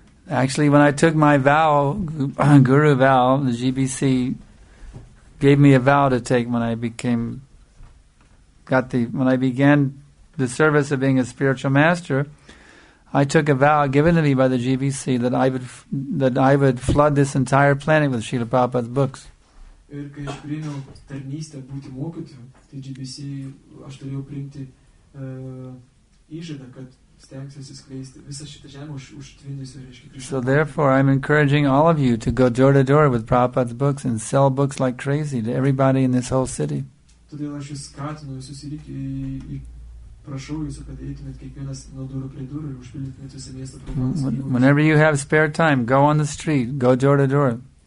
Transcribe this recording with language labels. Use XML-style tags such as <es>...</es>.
<en>Actually, when I took my vow, guru vow, the GBC gave me a vow to take when I became when I began the service of being a spiritual master, I took a vow given to me by the GBC that I would flood this entire planet with Srila Prabhupada's books.</en> <lt>Ir kai aš priėmiau tarnystę būti mokytoju, tai GBC, aš turėjau priimti įžadą, kad stengsiuosi skleisti visą šitą žemę užtvindysiu, reiškia.</lt> <en>So therefore, I'm encouraging all of you to go door to door with Prabhupada's books and sell books like crazy to everybody in this whole city.</en> <lt>Todėl aš jūs skatinu, jūs įsirikiu į prašau jūsų, kad eitumėt kiekvienas nuo durų prie durų ir užpildytumėt visą miestą.</lt> <en>Whenever you have spare time, go on the street, go door to door.</en>